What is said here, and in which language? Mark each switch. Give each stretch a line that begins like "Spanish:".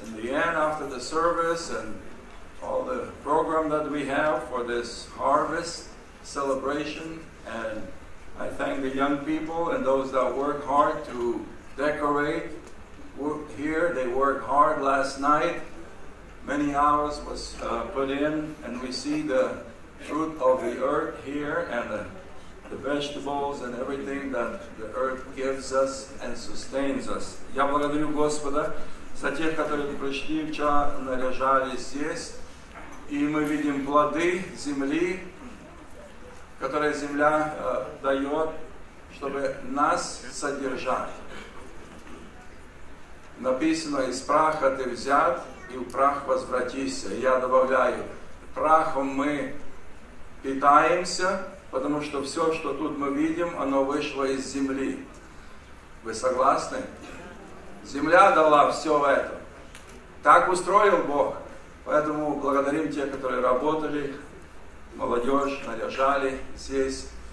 English: In the end, after the service and all the program that we have for this harvest celebration, and I thank the young people and those that work hard to decorate here. They worked hard last night. Many hours was put in, and we see the fruit of the earth here, and the vegetables and everything that the earth gives us and sustains us.
Ukrainian: Я
Russian: благодарю Господа
Ukrainian: за тих, які прийшли вчора, наряжались їсти. І ми бачимо плоди землі, які земля дає, щоб нас содержати. Написано, із праха ти взят, і в прах возвратися. Я додаю, прахом ми питаємося,
Russian: потому что все, что тут мы видим, оно вышло из земли. Вы согласны? Земля дала все это. Так устроил Бог. Поэтому благодарим тех, которые работали, молодежь, наряжали здесь.